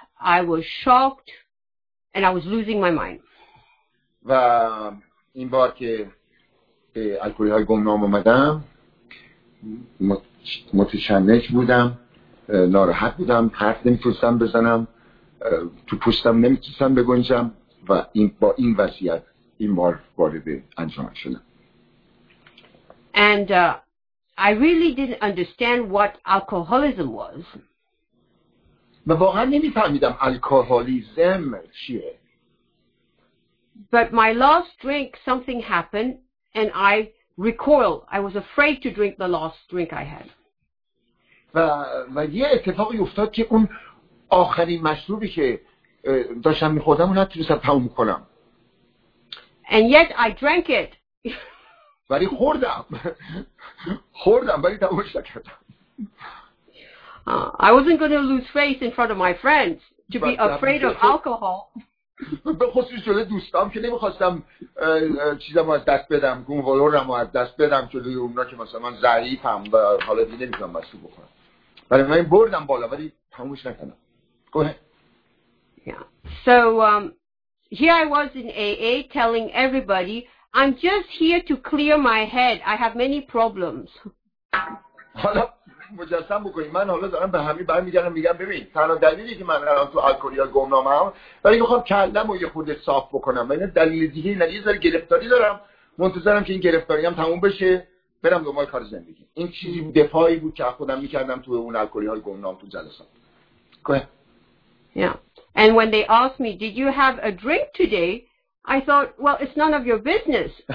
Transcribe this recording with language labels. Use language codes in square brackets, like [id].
[en] I was shocked and I was losing my mind. [fa] و این بار که الکلی های گمنام اومدم، متشنج بودم، ناراحت بودم، حرف نمیتونستم بزنم، تو پوستم نمیتونستم بگنجم و این با این وضعیت این بار وارد انجام شدم. [en] And I really didn't understand what alcoholism was. [fa] من واقعا نمیفهمیدم الکلیزم چیه. [en] But my last drink, something happened, and I recoiled. I was afraid to drink the last drink I had. [fa] و یه اتفاقی افتاد که اون آخرین مشروبی که داشتم میخوردم اون نتونستم تموم کنم. [en] And yet I drank it. [fa] ولی خوردم. خوردم ولی تمومش نکردم. [en] I wasn't going to lose face in front of my friends to be afraid of alcohol. [fa] به خصوص جلوی دوستام که نمیخواستم چیزمو از دست بدم، گونوالورمو از دست بدم جلوی اونا که مثلا من ضعیفم و حالا دیگه نمیتونم مشروب بخورم. ولی من بردم بالا ولی تمومش نکردم. [en] Go ahead. Yeah. So here I was in AA telling everybody I'm just here to clear my head. I have many problems. [fa] حالا مجسم بکنید، من حالا دارم به همین برمیگردم میگم ببین تنها دلیلی که من الان تو الکلی ها گمنام هم ولی میخوام کلمو یه خورده صاف بکنم، من دلیل دیگه نه، یه ذره گرفتاری دارم، منتظرم که این گرفتاری هم تموم بشه برم دنبال کار زندگی. این چیزی دفاعی بود که خودم میکردم تو اون الکلی های گمنام تو جلسات. [en] Yeah. And when they asked me, did you have a drink today? I thought, well, it's none of your business.